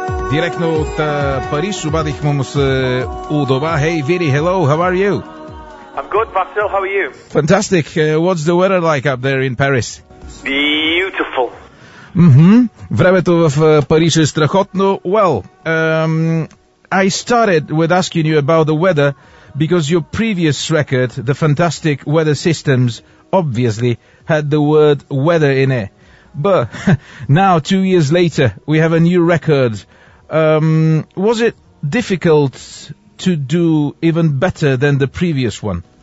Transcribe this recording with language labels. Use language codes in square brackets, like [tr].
[bg] Директно от Париж обадих му се удова. [en] Hey Вири, hello, how are you? I'm good, Marcel, how are you? Fantastic. What's the weather like up there in Paris? Beautiful. Mm-hmm. [bg] Времето в Париж е страхотно. [en] Well, I started with asking you about the weather because your previous record, The Fantastic Weather Systems, obviously had the word weather in it. But now, 2 years later, we have a new record. Was it difficult to do even better than the previous one?